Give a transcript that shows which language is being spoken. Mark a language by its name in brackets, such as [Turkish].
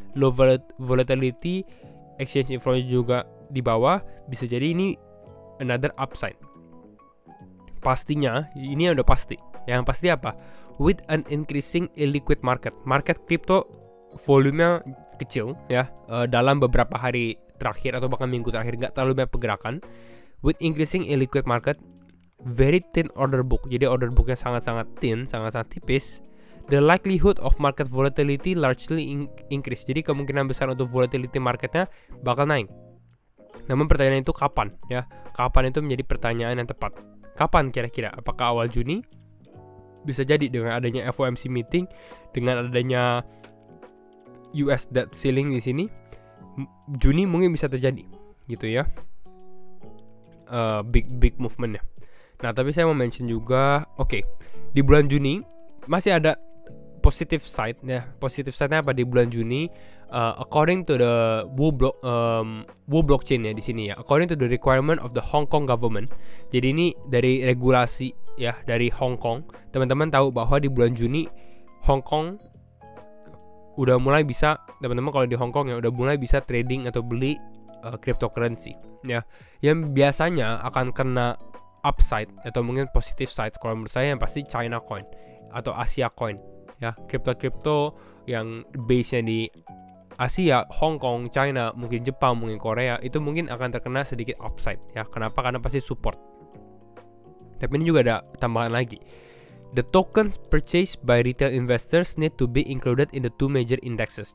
[Indonesian] Low volatility, exchange inflownya juga di bawah, bisa jadi ini [English] another upside. [Indonesian] Pastinya, ini yang udah pasti. Yang pasti apa? [English] With an increasing illiquid market. [Indonesian] Market crypto volume-nya kecil ya, dalam beberapa hari terakhir atau bahkan minggu terakhir enggak terlalu banyak pergerakan. [English] With increasing illiquid market, very thin order book. [Indonesian] Jadi order book-nya sangat-sangat thin, sangat-sangat tipis. [English] The likelihood of market volatility largely increase. [Indonesian] Jadi kemungkinan besar untuk volatility market-nya bakal naik. Namun pertanyaan itu kapan ya? Kapan itu menjadi pertanyaan yang tepat. Kapan kira-kira? Apakah awal Juni? Bisa jadi dengan adanya FOMC meeting, dengan adanya US debt ceiling di sini, Juni mungkin bisa terjadi, gitu ya. Big movement-nya. Nah, tapi saya mau mention juga, oke, di bulan Juni masih ada positive side ya. Positive side-nya apa di bulan Juni? [English] According to the Wu blockchain [Indonesian] ya di sini ya. [English] According to the requirement of the Hong Kong government. [Indonesian] Jadi ini dari regulasi ya dari Hong Kong. Teman-teman tahu bahwa di bulan Juni Hong Kong udah mulai bisa, teman-teman kalau di Hong Kong ya udah mulai bisa trading atau beli cryptocurrency ya. Yang biasanya akan kena upside atau mungkin positive side kalau menurut saya yang pasti China coin atau Asia coin ya, crypto-crypto yang base-nya di Asia, Hong Kong, China, mungkin Jepang, mungkin Korea, itu mungkin akan terkena sedikit upside ya. Kenapa? Karena pasti support. Tapi ini juga ada tambahan lagi. [English] The tokens purchased by retail investors need to be included in the two major indexes.